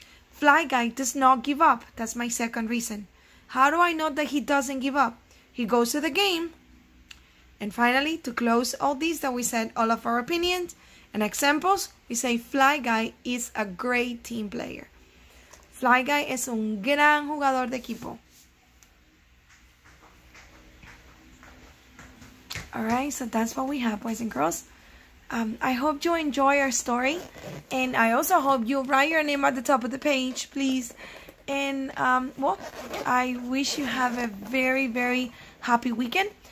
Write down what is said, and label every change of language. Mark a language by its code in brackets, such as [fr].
[en] Fly guy does not give up. That's my second reason. How do I know that he doesn't give up? He goes to the game. And finally, to close all these that we said, all of our opinions and examples, we say fly guy is a great team player. [es] Fly guy es un gran jugador de equipo. [en] Alright, so that's what we have, boys and girls. I hope you enjoy our story. And I also hope you write your name at the top of the page, please. And, I wish you have a very, very happy weekend.